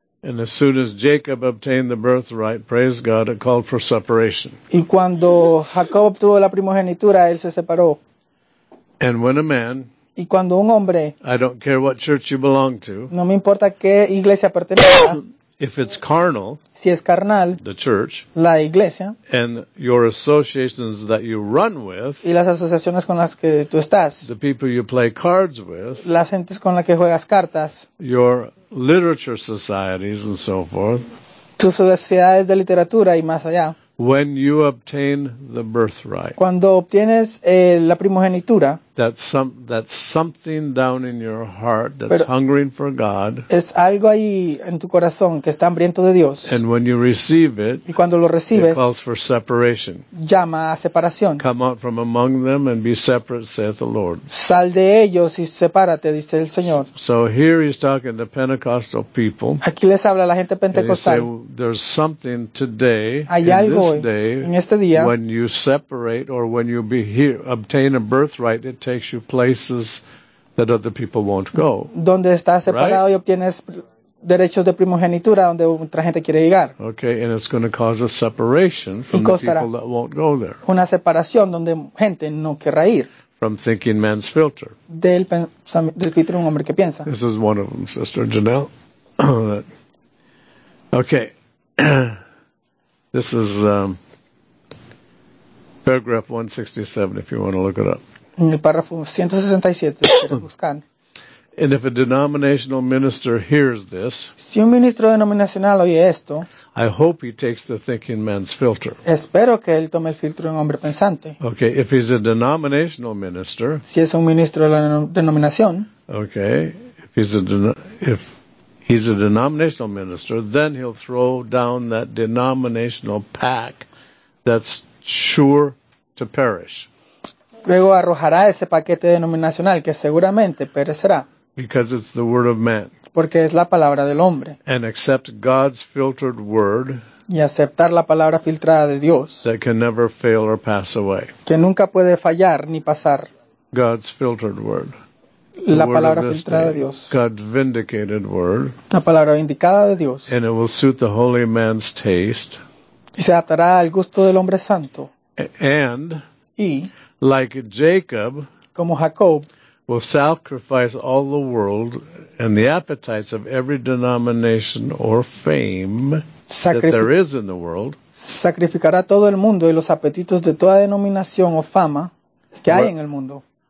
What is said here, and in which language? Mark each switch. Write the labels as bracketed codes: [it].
[en] And as soon as Jacob obtained the birthright, praise God, it called for separation. [es] Y cuando Jacob obtuvo la primogenitura, él se separó. [en] And when a man, [es] y cuando un hombre, [en] I don't care what church you belong to, [es] no me importa qué iglesia pertenezca, [en] if it's carnal, [es] si es carnal, [en] the church, [es] la iglesia, [en] and your associations that you run with, [es] y las asociaciones con las que tú estás, [en] the people you play cards with, [es] las gentes con las que juegas cartas, [en] your literature societies and so forth, [es] tus sociedades de literatura y más allá, [en] when you obtain the birthright, [es] cuando obtienes la primogenitura, [en] that's something down in your heart that's hungering for God. [es] Es algo ahí en tu corazón que está hambriento de Dios. [en] And when you receive it, [es] y cuando lo recibes, [en] it calls for separation. [es] Llama a separación. [en] Come out from among them and be separate, saith the Lord. [es] Sal de ellos y sepárate, dice el Señor. [en] So here he's talking to Pentecostal people. [es] Aquí les habla la gente pentecostal. [en] And they say, there's something today, [es] hay [en] in [es] algo [en] this day, [es] en este día, [en] when you separate or when you be here, obtain a birthright, it takes you places that other people won't go. [es] Donde estás separado, [en] right? [es] Y obtienes derechos de primogenitura donde otra gente quiere llegar. [en] Okay, and it's going to cause a separation from the people that won't go there. [es] Una separación donde gente no querrá ir. [en] From thinking man's filter. [es] Del filtro de un hombre que piensa. [en] This is one of them, Sister Janelle. Okay. This is paragraph 167, if you want to look it up. [es] En el párrafo 167, [en] and if a denominational minister hears this, [es] si un ministro denominacional oye esto, [en] I hope he takes the thinking man's filter. [es] Espero que él tome el filtro de un hombre pensante. [en] Okay, if he's a denominational minister, [es] si es un ministro de la denominación, [en] okay, if he's a denominational minister, then he'll throw down that denominational pack that's sure to perish. [es] Luego arrojará ese paquete denominacional que seguramente perecerá. [en] Because it's the word of man. [es] Porque es la palabra del hombre. [en] And accept God's filtered word. [es] Y aceptar la palabra filtrada de Dios. [en] That can never fail or pass away. [es] Que nunca puede fallar ni pasar. [en] God's filtered word. [es] La palabra filtrada de Dios. [en] God's vindicated word. [es] La palabra vindicada de Dios. [en] And it will suit the holy man's taste. [es] Y se adaptará al gusto del hombre santo. [en] And, [es] y, [en] like Jacob, [es] como Jacob, [en] will sacrifice all the world and the appetites of every denomination or fame that there is in the world. [es] Sacrificará todo el mundo y los apetitos de toda denominación o fama que hay en el mundo.